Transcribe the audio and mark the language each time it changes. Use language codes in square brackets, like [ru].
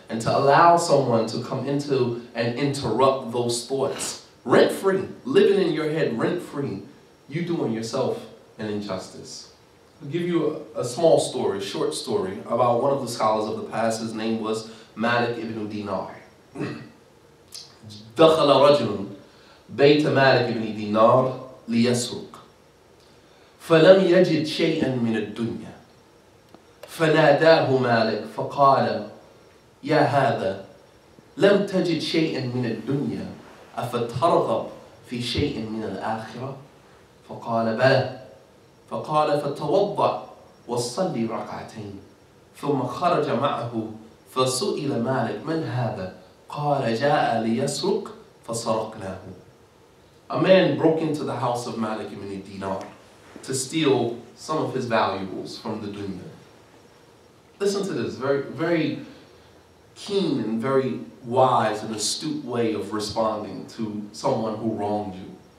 [en] And to allow someone to come into and interrupt those thoughts. Rent free. Living in your head, rent free. You doing yourself an injustice. I'll give you a small story, short story, about one of the scholars of the past. His name was Malik ibn Dinar. [ar] دخل رجل بيت مالك بن دينار ليسرق فلم يجد شيئا من الدنيا فناداه مالك فقال يا هذا لم تجد شيئا من الدنيا أفترغب في شيء من الآخرة فقال بلى فقال فتوضأ وصلي ركعتين ثم خرج معه فسئل مالك من هذا قال جاء ليسرق فَصَرَقْنَاهُ. [en] A man broke into the house of Malik ibn Dinar to steal some of his valuables from the dunya. Listen to this, very, very keen and very wise and astute way of responding to someone who wronged you.